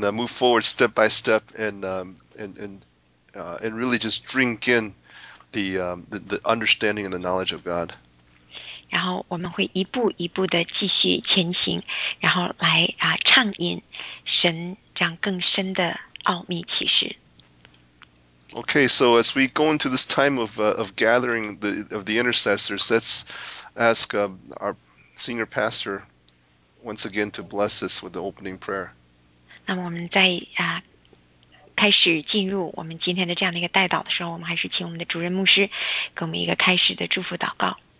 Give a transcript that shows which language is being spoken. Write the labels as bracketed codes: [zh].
[en] move forward step by step and really just drink in the understanding and the knowledge of God. [zh] 然后我们会一步一步的继续前行，然后来畅饮神这样更深的奥秘启示。 [en] Okay, so as we go into this time of gathering of the intercessors, let's ask our senior pastor once again to bless us with the opening prayer. [zh] 那么我们在开始进入我们今天的这样的一个代祷的时候，我们还是请我们的主任牧师给我们一个开始的祝福祷告。